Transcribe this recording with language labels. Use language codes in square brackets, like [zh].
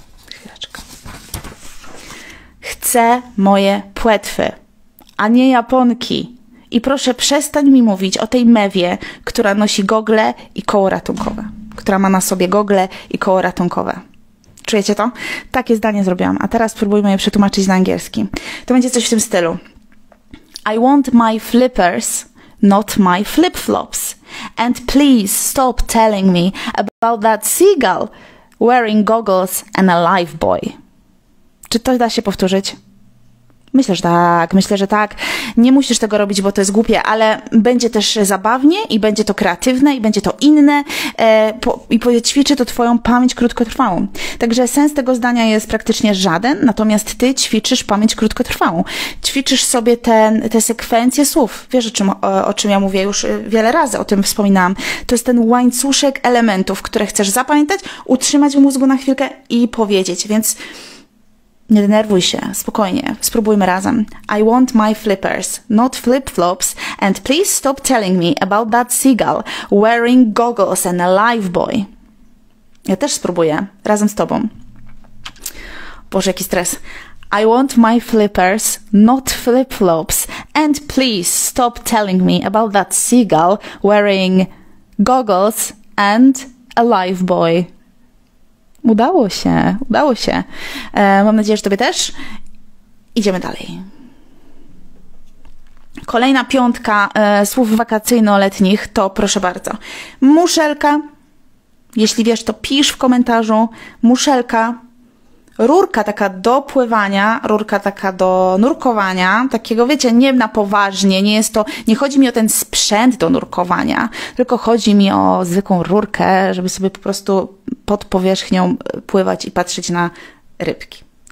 [pl] Chwileczkę. Chcę moje płetwy, a nie japonki. I proszę, przestań mi mówić o tej mewie, która nosi gogle i koło ratunkowe. Która ma na sobie gogle i koło ratunkowe. Czujecie to? Takie zdanie zrobiłam. A teraz spróbujmy je przetłumaczyć na angielski. To będzie coś w tym stylu. [en] I want my flippers, not my flip-flops. And please stop telling me about that seagull wearing goggles and a life boy. [pl] Czy to da się powtórzyć? Myślę, że tak. Nie musisz tego robić, bo to jest głupie, ale będzie też zabawnie i będzie to kreatywne i będzie to inne i ćwiczy to twoją pamięć krótkotrwałą. Także sens tego zdania jest praktycznie żaden, natomiast ty ćwiczysz pamięć krótkotrwałą. Ćwiczysz sobie te sekwencje słów. Wiesz, o czym ja mówię już wiele razy, o tym wspominałam. To jest ten łańcuszek elementów, które chcesz zapamiętać, utrzymać w mózgu na chwilkę i powiedzieć, więc... Nie denerwuj się, spokojnie, spróbujmy razem. [en] I want my flippers, not flip-flops, and please stop telling me about that seagull wearing goggles and a life boy. [pl] Ja też spróbuję, razem z tobą. Boże, jaki stres. [en] I want my flippers, not flip-flops, and please stop telling me about that seagull wearing goggles and a life boy. [pl] Udało się. Mam nadzieję, że tobie też. Idziemy dalej. Kolejna piątka słów wakacyjno-letnich to proszę bardzo. Muszelka, jeśli wiesz, to pisz w komentarzu. Muszelka, rurka taka do pływania, rurka taka do nurkowania, takiego wiecie, nie na poważnie, nie jest to, nie chodzi mi o ten sprzęt do nurkowania, tylko chodzi mi o zwykłą rurkę, żeby sobie po prostu pod powierzchnią pływać i patrzeć na rybki.